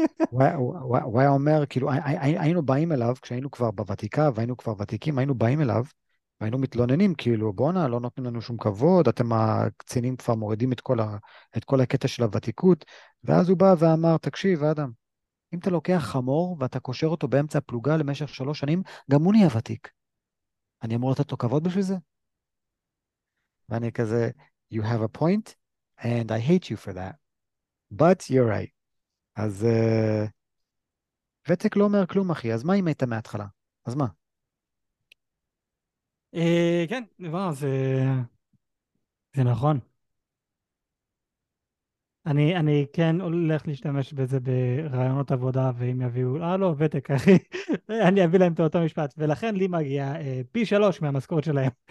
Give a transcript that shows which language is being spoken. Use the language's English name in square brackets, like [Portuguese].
[Hebrew] הוא היה אומר, כאילו, היינו באים אליו, כשהיינו כבר בוותיקה, והיינו כבר ותיקים, היינו באים אליו, והיינו מתלוננים, כאילו, בונה, לא נותנים לנו שום כבוד, אתם הקצינים כבר מורידים את כל הקטע של הוותיקות, ואז הוא בא ואמר, תקשיב, אדם, אם אתה לוקח חמור ואתה קושר אותו באמצע הפלוגה למשך 3 שנים, גם הוא נהיה ותיק. אני אמור לתת לו כבוד בשביל זה? ואני כזה, [English] you have a point, and I hate you for that. But you're right. [Hebrew] אז ותק לא אומר כלום, אחי, אז מה אם היית מההתחלה? אז מה? כן, וואו, זה נכון. אני כן הולך להשתמש בזה ברעיונות עבודה, ואם יביאו, לא, ותק, אחי, אני אביא להם את אותו משפט, ולכן לי מגיע פי 3 מהמשכורת שלהם.